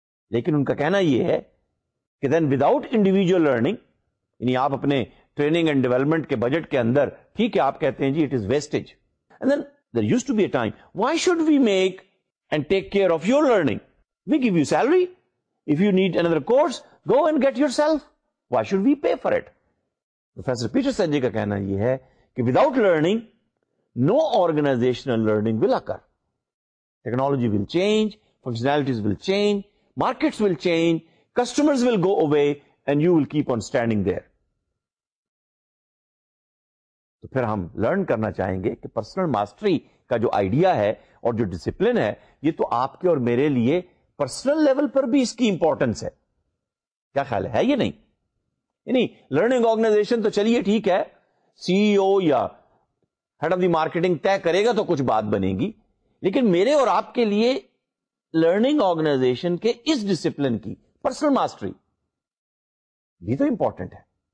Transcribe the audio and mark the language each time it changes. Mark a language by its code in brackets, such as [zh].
[ur] لیکن ان کا کہنا یہ ہے کہ [en] then without individual learning, [ur] یعنی آپ اپنے ٹریننگ اینڈ ڈیولپمنٹ کے بجٹ کے اندر ٹھیک ہے آپ کہتے ہیں جی [en] It is vestige. And then there used to be a time, why should we make and take care of your learning? We give you salary. If you need another course, go and get yourself. Why should we pay for it? Professor Peter Senge [ur] ka kehna ye hai ki [en] without learning, no organizational learning will occur. Technology will change, functionalities will change, markets will change, customers will go away, and you will keep on standing there. [ur] تو پھر ہم learn کرنا چاہیں گے کہ personal mastery کا جو idea ہے اور جو ڈسپلن ہے یہ تو آپ کے اور میرے لیے پرسنل لیول پر بھی اس کی امپورٹنس ہے. کیا خیال ہے یہ نہیں؟ یعنی لرننگ آرگنائزیشن تو چلیے ٹھیک ہے, سی ای او یا ہیڈ آف دی مارکیٹنگ طے کرے گا تو کچھ بات بنے گی, لیکن میرے اور آپ کے لیے لرننگ آرگنائزیشن کے اس ڈسپلن کی پرسنل ماسٹری بھی تو امپورٹنٹ ہے.